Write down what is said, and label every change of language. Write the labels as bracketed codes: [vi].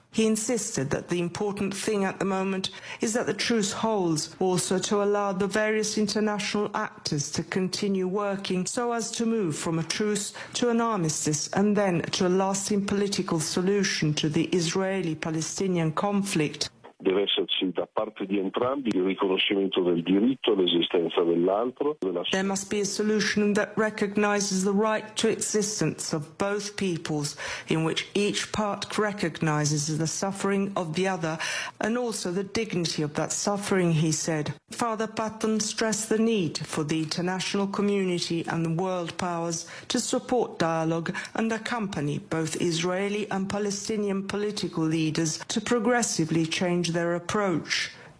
[en] He insisted that the important thing at the moment is that the truce holds, also to allow the various international actors to continue working so as to move from a truce to an armistice and then to a lasting political solution to the Israeli-Palestinian conflict. [it] Deve esserci da parte di entrambi il riconoscimento del diritto all'esistenza dell'altro. [en] There must be a solution that recognizes the right to existence of both peoples, in which each part recognizes the suffering of the other and also the dignity of that suffering, he said. Father Patton stressed the need for the international community and the world powers to support dialogue and accompany both Israeli and Palestinian political leaders to progressively change their approach.